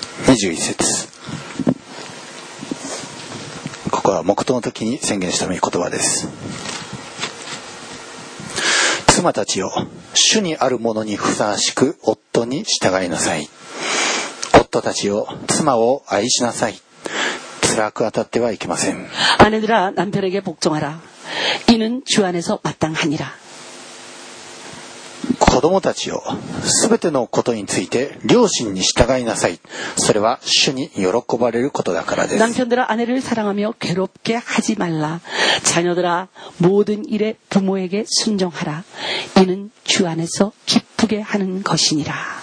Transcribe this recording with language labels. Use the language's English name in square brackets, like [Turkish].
[Japanese] 21節ここは黙祷の時に宣言した御言葉です。妻たちよ、主にあるものにふさわしく夫に従いなさい。夫たちよ、妻を愛しなさい。辛く当たってはいけません。 [Korean] 아내들아남편에게복종하라이는주안에서마땅하니라。 [Japanese] 子供たちよ、すべてのことについて両親に従いなさい。それは主に喜ばれることだからです。 [Korean] 남편들아아내를사랑하며괴롭게하지말라。 자녀들아모든일에부모에게순종하라。 이는주안에서기쁘게하는것이니라。